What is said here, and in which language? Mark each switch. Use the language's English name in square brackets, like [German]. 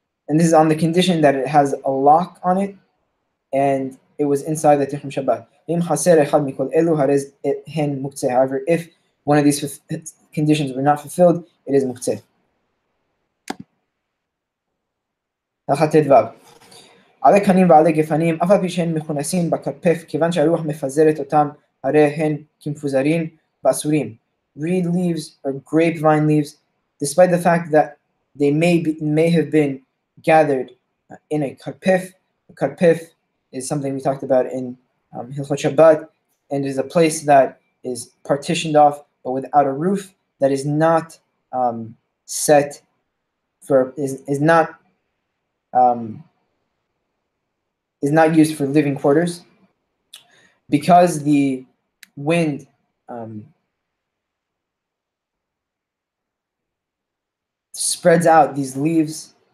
[English] And this is on the condition that it has a lock on it and it was inside the Tihum Shabbat. However, if one of these conditions were not fulfilled, it is Muktzeh. [Hebrew] על הקנים ועל הגפנים, אף על פי שהן מכונסים בכרפף, כיוון שהרוח מפזרת אותם, הרי הן כמפוזרים באסורים. [English] Reed leaves or grapevine leaves, despite the fact that they may have been gathered in a karpif. A karpif is something we talked about in Hilchot Shabbat, and is a place that is partitioned off, but without a roof, that is not set for, is not used for living quarters, because the wind spreads out these leaves.